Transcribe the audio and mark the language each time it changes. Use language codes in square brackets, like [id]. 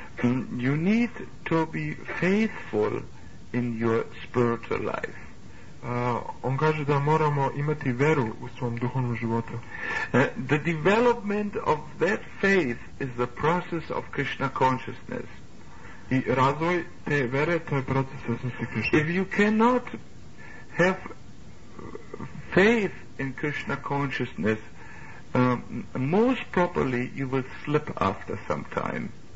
[en] You need to be faithful in your spiritual life. [hr] On kaže da moramo imati vjeru u svom duhovnom životu. [en] The development of that faith is the process of Krishna consciousness. [hr] I razvoj te vjere, to je proces svjesnosti Krishna. [en] If you cannot have faith in Krishna consciousness, most probably you will slip after some time.